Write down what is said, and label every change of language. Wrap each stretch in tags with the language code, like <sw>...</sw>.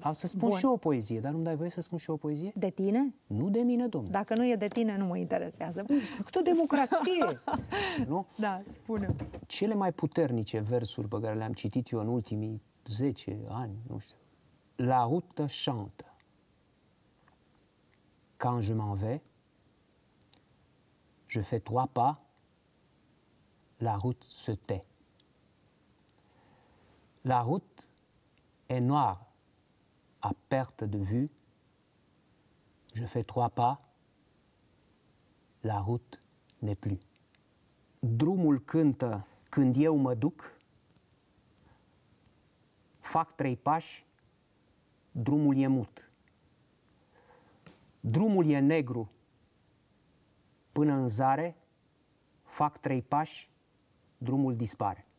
<ro>Am să spun și eu o poezie, dar nu-mi dai voie să spun și eu o poezie? De tine? Nu de mine, domnule. Dacă nu e de tine, nu mă interesează. Cât o democrație! Nu? Da, spune. Cele mai puternice versuri pe care le-am citit eu în ultimii 10 ani, nu știu.</ro> <fr>La route chante. Quand je m'en vais, je fais trois pas, la route se tait. La route est noire, à perte de vue, je fais trois pas, la route n'est plus.</fr> <ro>Drumul cântă când eu mă duc, fac trei pași, drumul e mut. Drumul e negru, până în zare, fac trei pași, drumul dispare.</ro>